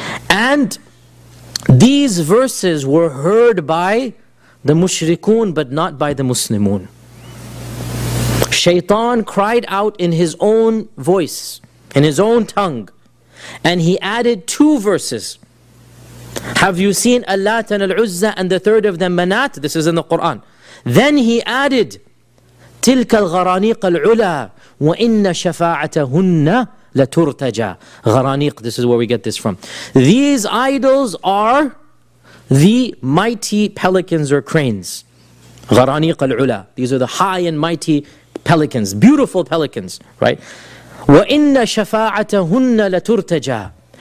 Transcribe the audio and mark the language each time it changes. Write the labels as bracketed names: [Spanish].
[English] And these verses were heard by the mushrikun, but not by the muslimun. Shaytan cried out in his own voice, in his own tongue, and he added two verses. Have you seen Allat and Al-Uzza and the third of them Manat? This is in the Quran. Then he added, [Arabic] تِلْكَ الْغَرَانِيقَ الْعُلَى وَإِنَّ شَفَاعَتَهُنَّ لَتُرْتَجَى غَرَانِيق. [English] This is where we get this from. These idols are the mighty pelicans or cranes. [Arabic] غَرَانِيقَ الْعُلَى. [English] These are the high and mighty pelicans, beautiful pelicans, right? [Arabic] وَإِنَّ شَفَاعَتَهُنَّ لَتُرْتَجَى.